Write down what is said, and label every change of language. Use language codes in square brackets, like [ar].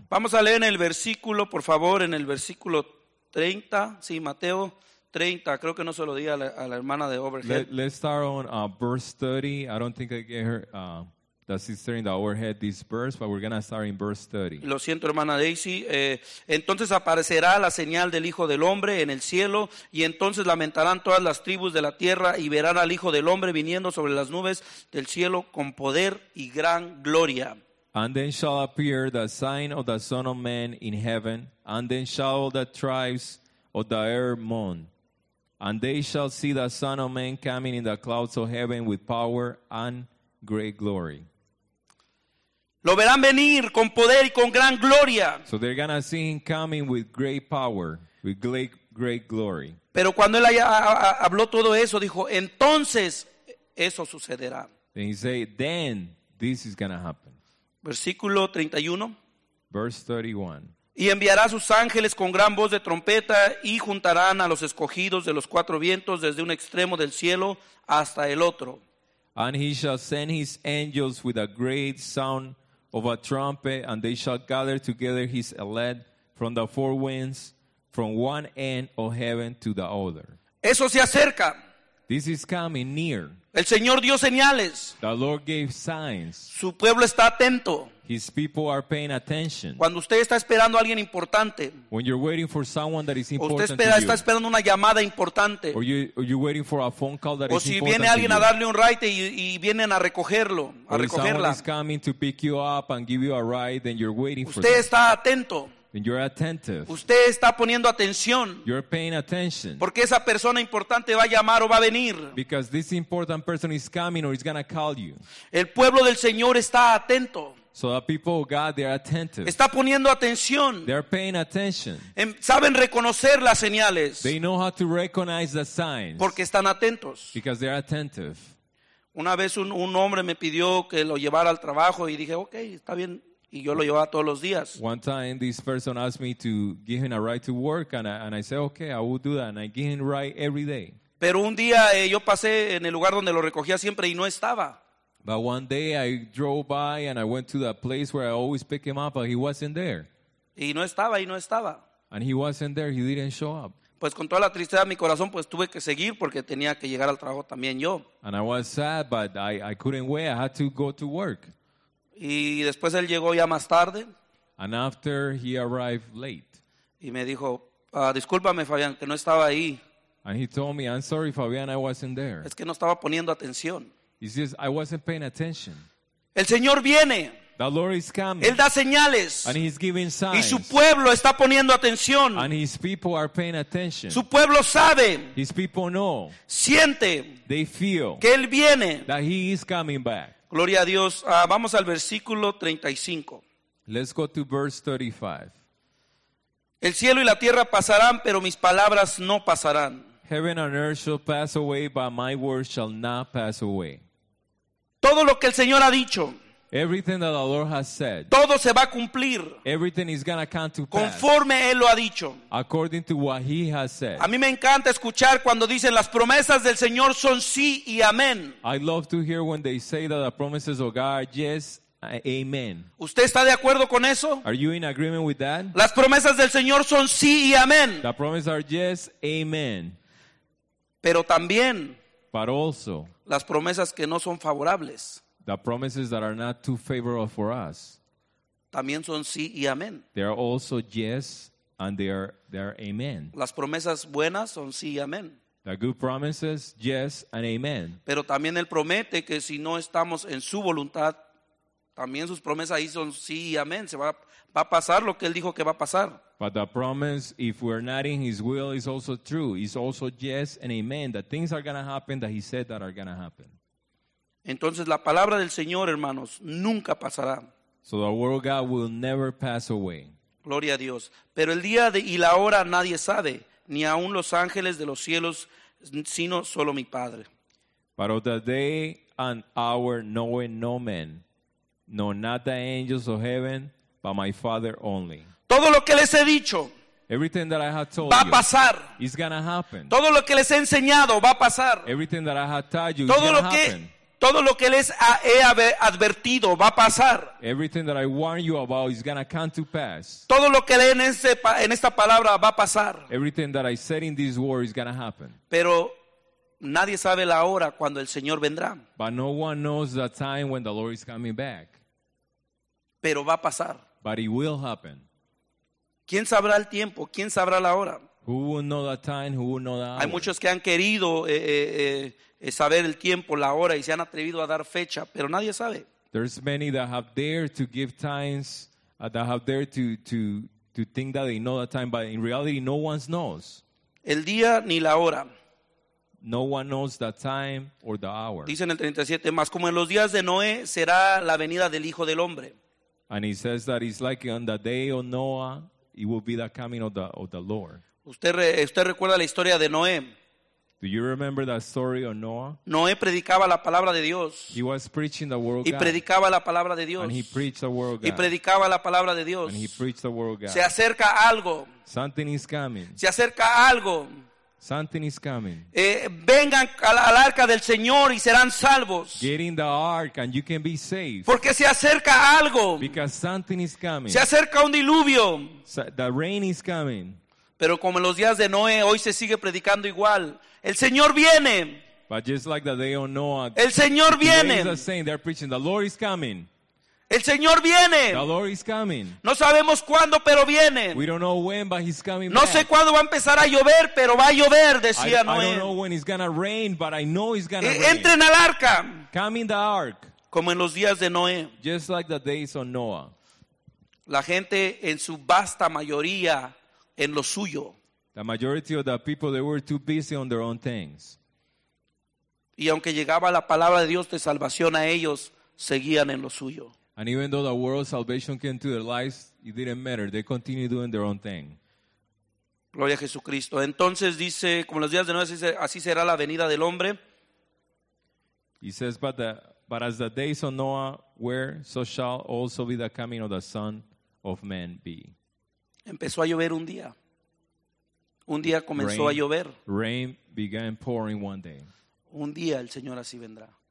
[es] Vamos a leer en el versículo, por favor, en el versículo 30. Sí, Mateo 30. Creo que no se lo di a la hermana de overhead. [en] Let's start on verse 30. I don't think I gave her the sister in the overhead this verse, but we're going to start in verse 30. [es] Lo siento, hermana Daisy. Entonces aparecerá la señal del Hijo del Hombre en el cielo, y entonces lamentarán todas las tribus de la tierra y verán al Hijo del Hombre viniendo sobre las nubes del cielo con poder y gran gloria. [en] And then shall appear the sign of the Son of Man in heaven, and then shall all the tribes of the earth mourn. And they shall see the Son of Man coming in the clouds of heaven with power and great glory. [es] Lo verán venir con poder y con gran gloria. [en] So they're going to see him coming with great power, with great, great glory. [es] Pero cuando él habló todo eso, dijo, entonces eso sucederá. [en] Then he said, then this is going to happen. [es] Versículo 31. [en] Verse 31. [es] Y enviará sus ángeles con gran voz de trompeta y juntarán a los escogidos de los cuatro vientos desde un extremo del cielo hasta el otro. [en] And he shall send his angels with a great sound of a trumpet, and they shall gather together his elect from the four winds, from one end of heaven to the other. [es] Eso se acerca. [en] This is coming near. [es] El Señor dio señales. [en] The Lord gave signs. [es] Su pueblo está atento. [en] His people are paying attention. [es] Cuando usted está esperando a alguien importante, [en] when you're waiting for someone that is important, [es] usted espera, [en] to you, [es] está esperando una llamada importante, [en] or you're waiting for a phone call that is important, [es] o si viene alguien a darle un ride y vienen a recogerlo, a recogerla, [en] or if someone is coming to pick you up and give you a ride, then you're waiting for [es] usted está atento. [en] And you're attentive. [es] Usted está poniendo atención. [en] You're paying attention. [es] Porque esa persona importante va a llamar o va a venir. [en] Because this important person is coming or is going to call you. [es] El pueblo del Señor está atento. [en] So the people of God, they're attentive. [es] Está poniendo atención. [en] They're paying attention. [es] Saben reconocer las señales. [en] They know how to recognize the signs. [es] Porque están atentos. [en] Because they're attentive. [es] Una vez un hombre me pidió que lo llevara al trabajo y dije, okay, está bien. Y yo lo llevaba todos los días. [en] One time this person asked me to give him a ride to work, and I said, okay, I will do that, and I give him a ride every day. [es] Pero un día yo pasé en el lugar donde lo recogía siempre y no estaba. [en] But one day I drove by and I went to the place where I always pick him up, but he wasn't there. [es] Y no estaba, y no estaba. [en] And he wasn't there, he didn't show up. [es] Pues con toda la tristeza de mi corazón, pues tuve que seguir porque tenía que llegar al trabajo también yo. [en] And I was sad, but I couldn't wait, I had to go to work. [es] Y después él llegó ya más tarde. [en] And after he arrived late. [es] Y me dijo, discúlpame, Fabián, que no estaba ahí. [en] And he told me, I'm sorry, Fabián, I wasn't there. [es] Es que no estaba poniendo atención. [en] He says, I wasn't paying attention. [es] El Señor viene. [en] The Lord is coming. [es] Él da señales. [en] And he's giving signs. [es] Y su pueblo está poniendo atención. [en] And his people are paying attention. [es] Su pueblo sabe. [en] His people know. [es] Siente. [en] They feel. [es] Que él viene. [en] That he is coming back. [es] Gloria a Dios. Vamos al versículo 35. [en] Let's go to verse 35. [es] El cielo y la tierra pasarán, pero mis palabras no pasarán. [en] Heaven and earth shall pass away, but my words shall not pass away. [es] Todo lo que el Señor ha dicho. [en] Everything that the Lord has said. [es] Todo se va a cumplir. [en] Everything is going to come to pass. [es] Conforme Él lo ha dicho. [en] According to what He has said. [es] A mí me encanta escuchar cuando dicen las promesas del Señor son sí y amén. [en] I love to hear when they say that the promises of God are yes, amen. [es] ¿Usted está de acuerdo con eso? [en] Are you in agreement with that? [es] Las promesas del Señor son sí y amén. [en] The promises are yes, amen. [es] Pero también. [en] But also. [es] Las promesas que no son favorables. [en] The promises that are not too favorable for us. [es] También son sí y amén. [en] They are also yes and they are amen. [es] Las promesas buenas son sí y amén. [en] The good promises, yes and amen. [es] Pero también él promete que si no estamos en su voluntad, también sus promesas ahí son sí y amén. Se va a pasar lo que él dijo que va a pasar. [en] But the promise, if we're not in his will, is also true. It's also yes and amen that things are going to happen that he said that are going to happen. [es] Entonces la palabra del Señor, hermanos, nunca pasará. [en] So the word of God will never pass away. [es] Gloria a Dios. Pero el día y la hora nadie sabe, ni aun los ángeles de los cielos, sino solo mi Padre. [en] But of the day and hour knoweth no man, no not the angels of heaven, but my Father only. [es] Todo lo que les he dicho, [en] everything that I have told [es] va a pasar. [en] You, it's gonna happen. [es] Todo lo que les he enseñado va a pasar. [en] Everything that I have taught you, [es] todo lo que [en] happen. [es] Todo lo que les he advertido va a pasar. [en] Everything that I warn you about is gonna come to pass. [es] Todo lo que leen en esta palabra va a pasar. [en] Everything that I said in this word is gonna happen. [es] Pero nadie sabe la hora cuando el Señor vendrá. [en] But no one knows the time when the Lord is coming back. [es] Pero va a pasar. [en] But it will happen. [es] ¿Quién sabrá el tiempo? ¿Quién sabrá la hora? [en] Who will know the time? Who will know the hour? [es] Hay muchos que han querido saber el tiempo, la hora, y se han atrevido a dar fecha, pero nadie sabe. [en] There's many that have dared to give times, that have dared to think that they know the time, but in reality, no one knows. [es] El día ni la hora. [en] No one knows the time or the hour. [es] Dicen el 37, más como en los días de Noé será la venida del Hijo del Hombre. [en] And he says that it's like on the day of Noah, it will be the coming of the Lord. [es] ¿Usted recuerda la historia de Noé? [en] Do you remember that story of Noah? [es] Noé predicaba la palabra de Dios. [en] He was preaching the word of God. [es] Y predicaba la palabra de Dios. [en] And he preached the word of God. [es] Y predicaba la palabra de Dios. [en] And he preached the word of God. [es] Se acerca algo. [en] Something is coming. [es] Se acerca algo. [en] Something is coming. [es] Vengan al arca del Señor y serán salvos. [en] Get in the ark and you can be saved. [es] Porque se acerca algo. [en] Because something is coming. [es] Se acerca un diluvio. [en] The rain is coming. [es] Pero como en los días de Noé, hoy se sigue predicando igual. El Señor viene. [en] But just like the day of Noah. [es] El Señor viene. [en] The rain is the same. They're preaching. The Lord is coming. [es] El Señor viene. [en] The Lord is coming. [es] No sabemos cuándo, pero viene. [en] We don't know when, but he's coming. [es] No [en] back. [es] Sé cuándo va a empezar a llover, pero va a llover, decía Noé. [en] I don't know when it's gonna rain, but I know it's gonna rain. [es] Entren al arca. [en] Come in the ark. [es] Como en los días de Noé. [en] Just like the days of Noah. [es] La gente en su vasta mayoría en lo suyo. [en] The majority of the people, they were too busy on their own things. [es] Y aunque llegaba la palabra de Dios de salvación a ellos, seguían en lo suyo. [en] And even though the world's salvation came to their lives, it didn't matter. They continued doing their own thing. [es] Gloria a Jesucristo. Entonces dice, como los días de Noé, así será la venida del hombre. [en] He says, but as the days of Noah were, so shall also be the coming of the Son of Man be. [es] Empezó a llover un día. Un día comenzó a llover. [en] Rain began pouring one day. [es] Un día el Señor así vendrá.